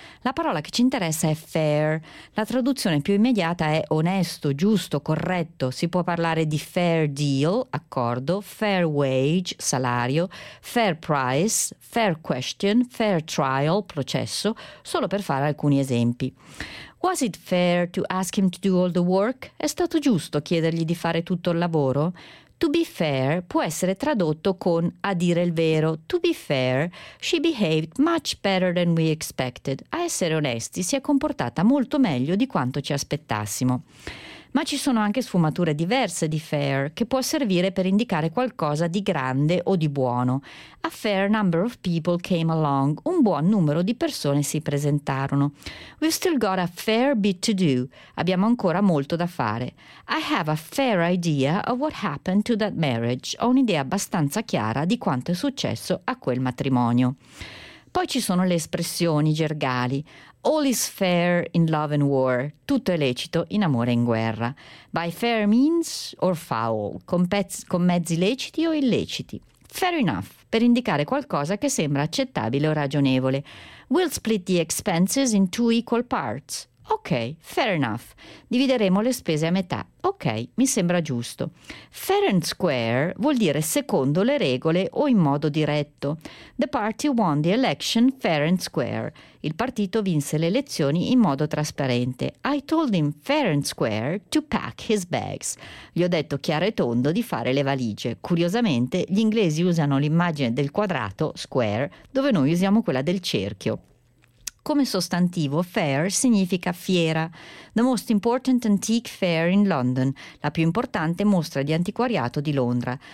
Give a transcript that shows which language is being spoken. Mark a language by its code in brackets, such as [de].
[it] La parola che ci interessa è fair. La traduzione più immediata è onesto, giusto, corretto. Si può parlare di fair deal, accordo, fair wage, salario, fair price, fair question, fair trial, processo, solo per fare alcuni esempi. [en] Was it fair to ask him to do all the work? [it] È stato giusto chiedergli di fare tutto il lavoro? [en] To be fair [it] può essere tradotto con a dire il vero. [en] To be fair, she behaved much better than we expected. [it] A essere onesti, si è comportata molto meglio di quanto ci aspettassimo. Ma ci sono anche sfumature diverse di fair, che può servire per indicare qualcosa di grande o di buono. [en] A fair number of people came along. [it] Un buon numero di persone si presentarono. [en] We've still got a fair bit to do. [it] Abbiamo ancora molto da fare. [en] I have a fair idea of what happened to that marriage. [it] Ho un'idea abbastanza chiara di quanto è successo a quel matrimonio. Poi ci sono le espressioni gergali. [en] All is fair in love and war. [it] Tutto è lecito in amore e in guerra. [en] By fair means or foul. [it] Con mezzi leciti o illeciti. [en] Fair enough, [it] per indicare qualcosa che sembra accettabile o ragionevole. [en] We'll split the expenses in two equal parts. Ok, fair enough. [it] Divideremo le spese a metà. [en] Ok, [it] mi sembra giusto. [en] Fair and square [it] vuol dire secondo le regole o in modo diretto. [en] The party won the election fair and square. [it] Il partito vinse le elezioni in modo trasparente. [en] I told him fair and square to pack his bags. [it] Gli ho detto chiaro e tondo di fare le valigie. Curiosamente, gli inglesi usano l'immagine del quadrato, square, dove noi usiamo quella del cerchio. Come sostantivo, fair significa fiera. [en] The most important antique fair in London, [it] la più importante mostra di antiquariato di Londra.